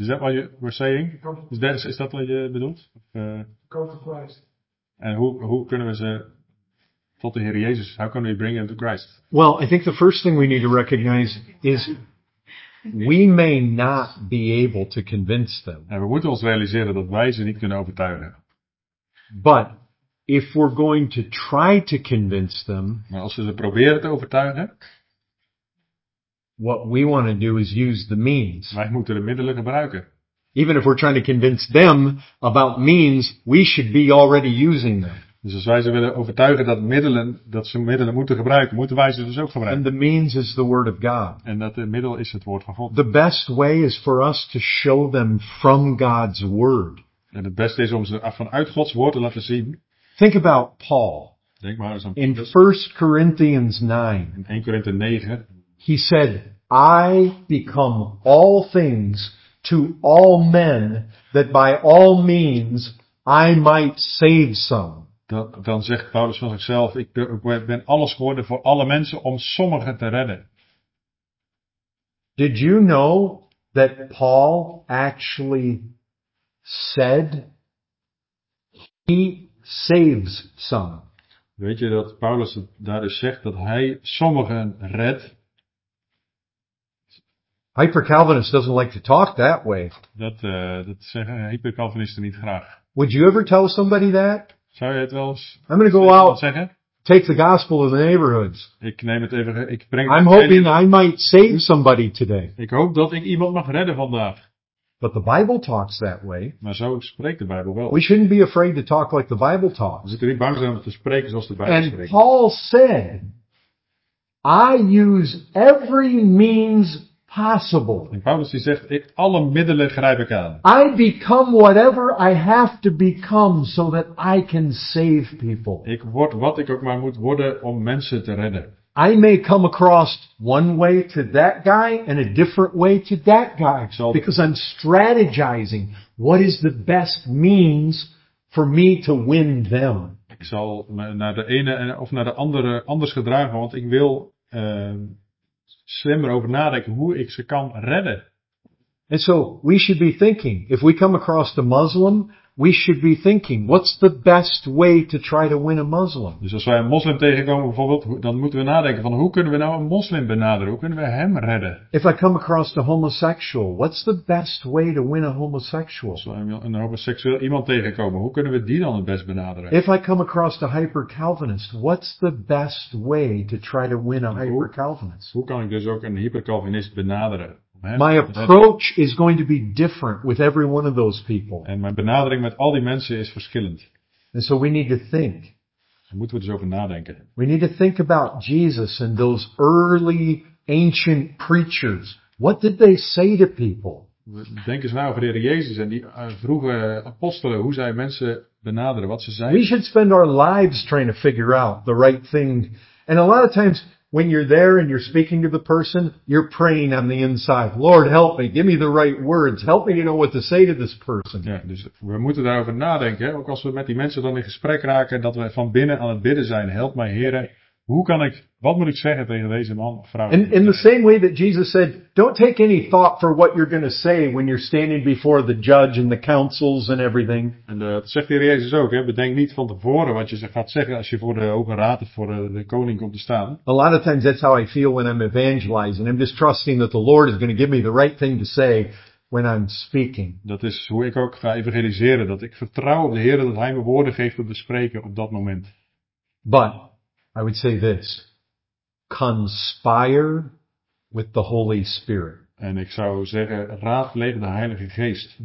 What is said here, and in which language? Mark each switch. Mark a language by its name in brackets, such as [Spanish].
[English] Is that what you were saying? Is that what you [Dutch] bedoelt? [English] Go to Christ. And who can we say, [Dutch] tot de Heer Jezus, [English] how can we bring him to Christ? Well, I think the first thing we need to recognize is we may not be able to convince them. [Dutch] En we moeten ons realiseren dat wij ze niet kunnen overtuigen. [English] But if we're going to try to convince them. [Dutch] Maar als we ze proberen te overtuigen. [English] What we want to do is use the means. [Dutch] Wij moeten de middelen gebruiken. [English] Even if we're trying to convince them about means, we should be already using them. [Dutch] Dus als wij ze willen overtuigen dat ze middelen moeten gebruiken, moeten wij ze dus ook gebruiken. [English] And the means is the word of God. [Dutch] En dat de middel is het woord van God. [English] The best way is for us to show them from God's word. [Dutch] En het beste is om ze vanuit Gods woord te laten zien. [English] Think about Paul. [Dutch] Denk maar eens aan [English] in 1 Corinthians 9. In 1 Corinthians 9. He said, I become all things to all men, that by all means I might save some. [Dutch] Dan zegt Paulus van zichzelf, ik ben alles geworden voor alle mensen om sommigen te redden. [English] Did you know that Paul actually said he saves some? [Dutch] Weet je dat Paulus daar dus zegt dat hij sommigen redt? [English] Hyper-Calvinist doesn't like to talk that way. [Dutch] Dat zeggen hyper-Calvinisten niet graag. [English] Would you ever tell somebody that? [Dutch] Zou je het wel eens? [English] I'm going to go out. Take the gospel of the neighborhoods. [Dutch] Ik neem het even. Ik breng. [English] I'm hoping I might save somebody today. [Dutch] Ik hoop dat ik iemand mag redden vandaag. [English] But the Bible talks that way. [Dutch] Maar zo spreekt de Bijbel wel. [English] We shouldn't be afraid to talk like the Bible talks. [Dutch] We moeten niet bang zijn om te spreken zoals de Bijbel [English] and [Dutch] spreekt. [English] And Paul said, I use every means possible. [Dutch] En Paulus die zegt, ik alle middelen grijp ik aan. [English] I become whatever I have to become so that I can save people. Ik word wat ik ook maar moet worden om mensen te redden. I may come across one way to that guy and a different way to that guy. Because I'm strategizing what is the best means for me to win them. [Dutch] Ik zal me naar de ene of naar de andere anders gedragen, want ik wil slimmer over nadenken hoe ik ze kan redden. [English] And so we should be thinking, if we come across the Muslim, we should be thinking, what's the best way to try to win a Muslim? [Dutch] Dus als wij een moslim tegenkomen bijvoorbeeld, dan moeten we nadenken van hoe kunnen we nou een moslim benaderen? Hoe kunnen we hem redden? [English] If I come across a homosexual, what's the best way to win a homosexual? [Dutch] Als wij een homoseksueel iemand tegenkomen, hoe kunnen we die dan het best benaderen? [English] If I come across a hyper-Calvinist, what's the best way to try to win a hyper-Calvinist? [Dutch] Hoe kan ik dus ook een hyper-Calvinist benaderen? [English] My approach is going to be different with every one of those people. [Dutch] En mijn benadering met al die mensen is verschillend. [English] And so we need to think. [Dutch] Dan moeten we dus over nadenken. [English] We need to think about Jesus and those early ancient preachers. What did they say to people? [Dutch] Denk eens na over de Heer Jezus en die vroege apostelen, hoe zij mensen benaderen, wat ze zeiden. [English] We should spend our lives trying to figure out the right thing. And a lot of times, when you're there and you're speaking to the person, you're praying on the inside. Lord, help me. Give me the right words. Help me to know what to say to this person. [Dutch] Ja, dus we moeten daarover nadenken. Ook als we met die mensen dan in gesprek raken, dat we van binnen aan het bidden zijn. Help mij, Heere. Hoe kan ik, wat moet ik zeggen tegen deze man of vrouw? [English] In the same way that Jesus said, don't take any thought for what you're going to say when you're standing before the judge and the councils and everything. [Dutch] En dat zegt de Heer Jezus ook, hè? Bedenk niet van tevoren wat je gaat zeggen als je voor de Hoge Raad of voor de koning komt te staan. [English] A lot of times that's how I feel when I'm evangelizing. I'm just trusting that the Lord is going to give me the right thing to say when I'm speaking. [Dutch] Dat is hoe ik ook ga evangeliseren. Dat ik vertrouw op de Heer dat Hij me woorden geeft om te spreken op dat moment. [English] But I would say this, conspire with the Holy Spirit. [Dutch] En ik zou zeggen, raadpleeg de Heilige Geest.